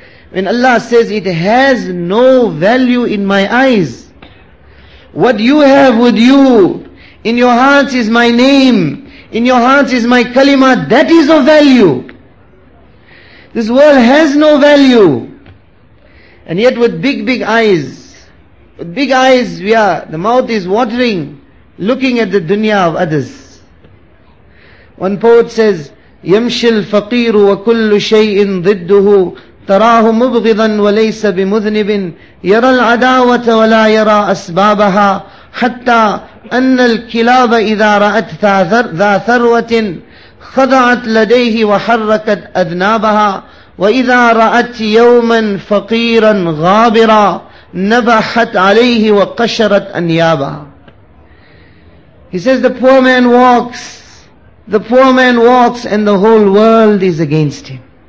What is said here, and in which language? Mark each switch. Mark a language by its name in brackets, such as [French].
[English] When Allah says it has no value in my eyes, what you have with you, in your hearts is my name, in your hearts is my kalima, that is of value. This world has no value. And yet with big eyes we are, the mouth is watering, looking at the dunya of others. One poet says, [Arabic] يَمْشِ الْفَقِيرُ وَكُلُّ شَيْءٍ ضِدُّهُ تراه مبغضا وليس بمذنب يرى العداوة ولا يرى أسبابها حتى أن الكلاب إذا رأت ذا ثروة خضعت لديه وحركت أذنابها وإذا رأت يوما فقيرا غابرا نبحت عليه وقشرت أنيابها. [English] He says the poor man walks and the whole world is against him.